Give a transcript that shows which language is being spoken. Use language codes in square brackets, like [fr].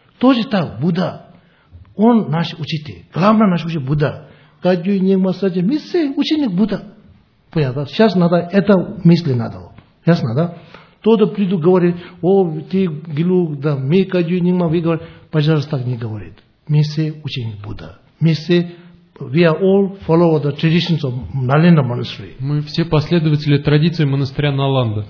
[ru] Тоже так, Будда. Он наш учитель. Главное наш учитель Будда. Каджуй, Нингма, Саджи, мы все ученик Будда. Понятно, да? Сейчас надо, это мысли надо. Ясно, да? Кто-то придет, говорит, о, ты Гилу, да, мы Каджуй, Нингма, вы говорите, пожалуйста, так не говорит. Мы все ученик Будда. Мы все [en] We are all follower the traditions of Nalanda Monastery. [ru] Мы все последователи традиции монастыря Наланда.